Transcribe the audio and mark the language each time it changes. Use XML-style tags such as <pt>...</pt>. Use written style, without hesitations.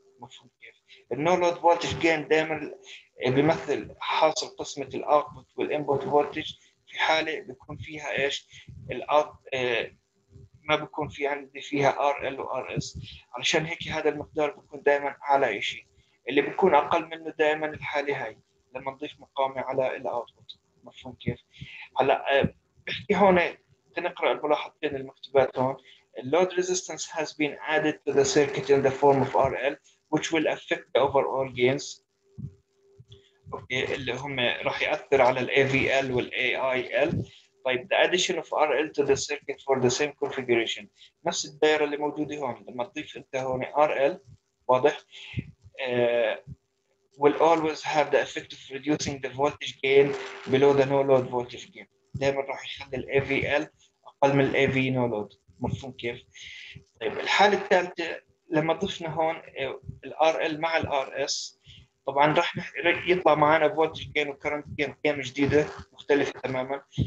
<ar>مفهوم كيف؟ النو لود فولتج جين دائما بيمثل حاصل قسمة الاوتبوت والانبوت فولتج في حالة بيكون فيها ايش؟ ما بيكون في عندي فيها ار ال وار اس، علشان هيك هذا المقدار بيكون دائما اعلى شيء، اللي بيكون اقل منه دائما الحالة هاي لما نضيف مقاومة على الاوتبوت. مفهوم كيف؟ هلا بحكي هون تنقرا الملاحظتين المكتوبات هون،</ar> <en>load resistance has been added to the circuit in the form of RL which will affect the overall gains.</en> <ar>اوكي اللي هم راح ياثر على الـ AVL والـ AIL. طيب</ar> <en>the addition of RL to the circuit for the same configuration.</en> <ar>نفس الدائره اللي موجوده هون، لما تضيف انت هون RL واضح؟</ar> <en>will always have the effect of reducing the voltage gain below the no load voltage gain.</en> <ar>دائما راح يخلي الـ AVL اقل من الـ AV no load. مفهوم كيف؟ طيب الحالة الثالثة لما ضفنا هون الـ RL مع الـ RS، طبعا راح يطلع معنا فولتج جين وكرنت جين قيم جديدة مختلفة تماما.</ar>